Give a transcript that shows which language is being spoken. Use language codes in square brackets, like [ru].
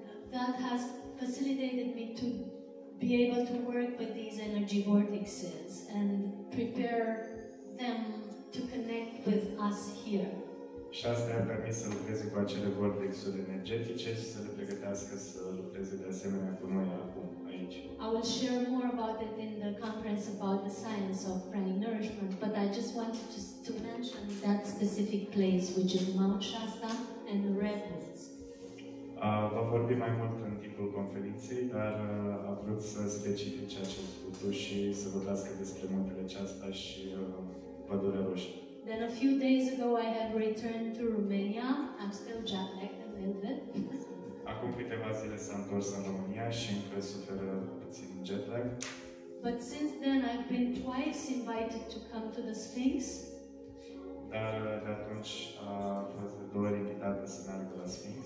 [en] That has facilitated me to be able to work with these energy vortexes and prepare them to connect with us here. [ro] Și asta mi-a permis să lucrez cu acele vortexuri energetice și să le pregătească să lucreze de asemenea cu noi acum aici. [en] I will share more about it in the conference about the science of pranic nourishment, but I just wanted to mention that specific place, which is Mount Shasta and the redwoods. [ro] Va vorbi mai mult în timpul conferinței, dar a vrut să specifice acest lucru și să vorbească despre muntele aceasta și pădurea roșie. [en] Then a few days ago I have returned to Romania. I'm still jet lagged a little bit. [ro] A acum câteva zile s-a întors în România și încă suferă puțin jet lag. [en] But since then I've been twice invited to come to the Sphinx. [ro] Dar de atunci a fost de două ori invitată să meargă la Sphinx.